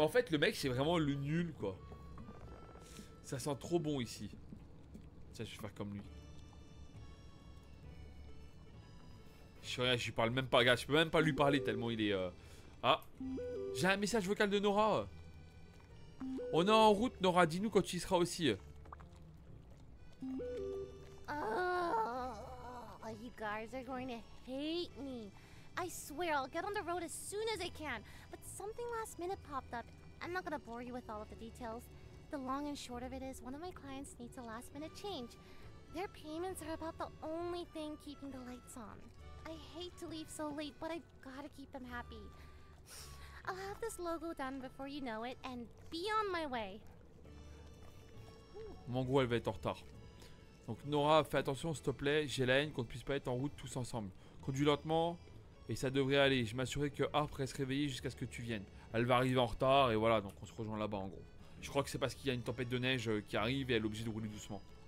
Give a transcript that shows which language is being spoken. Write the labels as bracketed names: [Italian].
[French] En fait, le mec, c'est vraiment le nul, quoi. Ça sent trop bon ici. Ça, je vais faire comme lui. Je suis rien, je parle même pas, gars. Je peux même pas lui parler tellement il est. Ah, j'ai un message vocal de Nora. On est en route, Nora. Dis-nous quand tu y seras aussi. [English] Oh, you guys are going to hate me. I swear, I'll get on the road as soon as I can. But something last minute popped up. I'm not gonna bore you with all of the details. The long and short of it is, one of my clients needs a last minute change. Their payments are about the only thing keeping the lights on. I hate to leave so late, but I've got to keep them happy. I'll have this logo done before you know it and be on my way. [French] Mon gros, elle va être en retard. Donc Nora, fais attention s'il te plaît. J'ai la haine qu'on ne puisse pas être en route tous ensemble. Conduis lentement et ça devrait aller. Je m'assurerai que Harp reste réveillé jusqu'à ce que tu viennes. Elle va arriver en retard et voilà, donc on se rejoint là-bas en gros. Je crois que c'est parce qu'il y a une tempête de neige qui arrive et elle est obligée de rouler doucement.